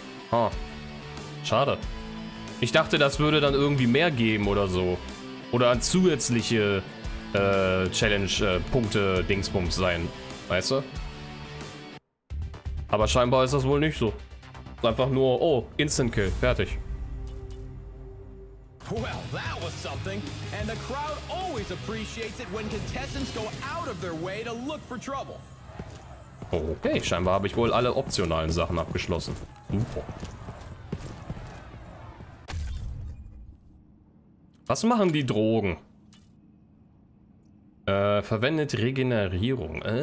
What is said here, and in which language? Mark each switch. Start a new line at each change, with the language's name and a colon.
German: Huh. Schade. Ich dachte, das würde dann irgendwie mehr geben oder so. Oder zusätzliche Challenge-Punkte-Dingsbums sein. Weißt du? Aber scheinbar ist das wohl nicht so. Einfach nur, oh, Instant Kill, fertig.
English: Well, that was something. And the crowd always appreciates it when contestants go out of their way to look for trouble.
German: Okay, scheinbar habe ich wohl alle optionalen Sachen abgeschlossen. Super. Was machen die Drogen? Verwendet Regenerierung.